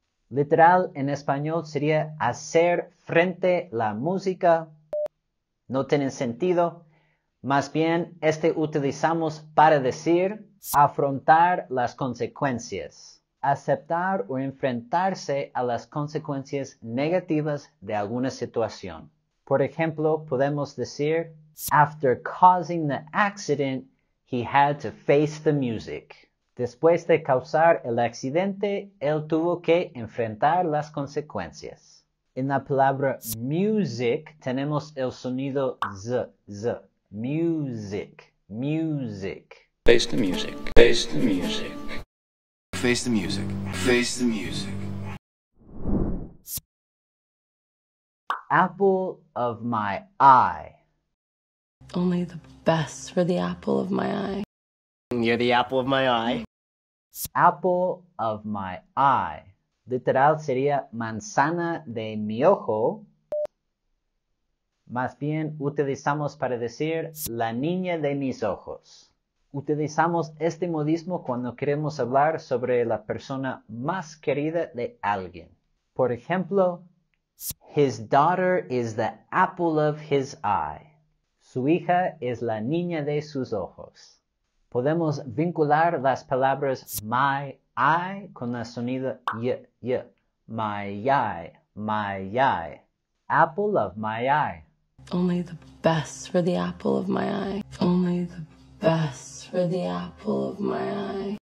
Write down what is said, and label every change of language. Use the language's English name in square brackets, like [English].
[Spanish] Literal, en español sería hacer frente la música. No tiene sentido. Más bien, este utilizamos para decir afrontar las consecuencias. Aceptar o enfrentarse a las consecuencias negativas de alguna situación. Por ejemplo, podemos decir, [English] after causing the accident, he had to face the music. [Spanish] Después de causar el accidente, él tuvo que enfrentar las consecuencias. En la palabra music, tenemos el sonido z, z. [English] Music, music. Face the music, face the music. Face the music, face the music. Apple of my eye. Only the best for the apple of my eye. You're the apple of my eye. Apple of my eye. [Spanish] Literal sería manzana de mi ojo. Más bien utilizamos para decir la niña de mis ojos. Utilizamos este modismo cuando queremos hablar sobre la persona más querida de alguien. Por ejemplo, [English] his daughter is the apple of his eye. [Spanish] Su hija es la niña de sus ojos. Podemos vincular las palabras my eye con la sonido y, y. [English] My eye, my eye. Apple of my eye. Only the best for the apple of my eye. Only the best for the apple of my eye.